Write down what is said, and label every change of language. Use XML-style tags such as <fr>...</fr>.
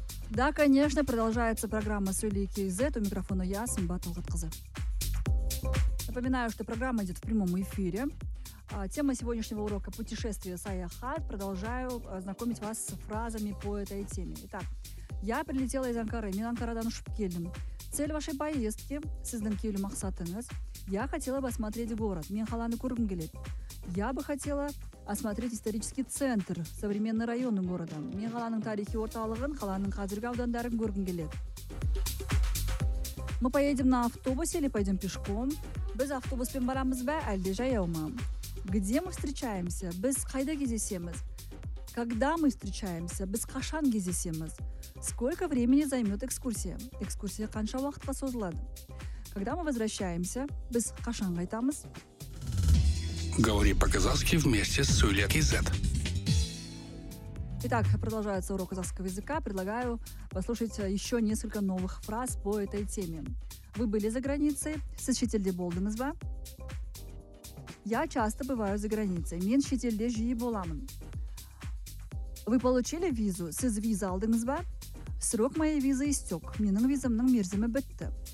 <ru>Да, конечно, продолжается программа Сулья.кз. У микрофона я, Сымбат Алгатқызы. Напоминаю, что программа идет в прямом эфире. Тема сегодняшнего урока – путешествие саяхат. Продолжаю знакомить вас с фразами по этой теме. Итак, я прилетела из Анкары,</ru> <kk>мен Анкарадан ұшып келдім.</kk> <ru>Цель вашей поездки –</ru> <kk>сіздің келу мақсатыңыз.</kk> <ru>Я хотела бы осмотреть город,</ru> <kk>мен қаланы көргім келеді.</kk> <ru>Я бы хотела осмотреть исторический центр, современный район города.</ru> <kk>Мен қаланың тарихи орталығын, қаланың қазіргі аудандарын көргім келеді.</kk> <ru>Мы поедем на автобусе или пойдем пешком?</ru> <kk>Біз автобуспен барамыз ба, әлде жаяу ма?</kk> <ru>Где мы встречаемся?</ru> <kk>Біз қайда кездесеміз?</kk> <ru>Когда мы встречаемся?</ru> <kk>Біз қашан кездесеміз?</kk> <ru>Сколько времени займет экскурсия?</ru> <kk>Экскурсия қанша уақытқа созылады?</kk> <ru>Когда мы возвращаемся?</ru> <kk>Біз қашан қайтамыз?</kk> <ru>Говори по-казахски вместе с Сулья.кз. Итак, продолжается урок казахского языка. Предлагаю послушать еще несколько новых фраз по этой теме. Вы были за границей?</ru> <kk>Сочительде болдыңыз ба?</kk> <ru>Я часто бываю за границей.</ru> <kk>Мен шетелде жиі боламын.</kk> <ru>Вы получили визу?</ru> <kk>Сіз виза алдыңыз ба?</kk> <ru>Срок моей визы истек.</ru> <kk>Менің визамның мерзімі бітті.</kk>